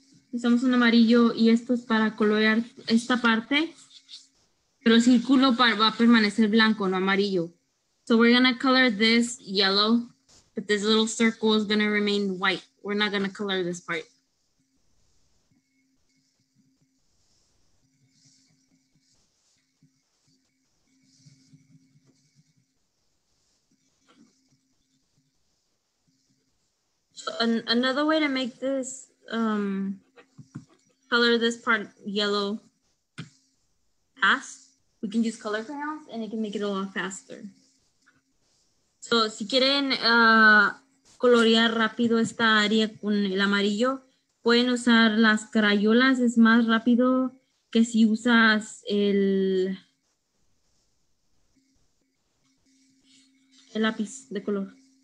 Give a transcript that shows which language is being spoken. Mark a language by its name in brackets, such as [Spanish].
[Spanish] Usamos un amarillo y esto es para colorear esta parte. Pero el círculo va a permanecer blanco, no amarillo. [English] So we're going to color this yellow, but this little circle is going to remain white. We're not going to color this part. Another way to make this color this part yellow fast, we can use color crayons and it can make it a lot faster. [Spanish] So, si quieren colorear rápido esta área con el amarillo, pueden usar las crayolas, es más rápido que si usas el lápiz de color.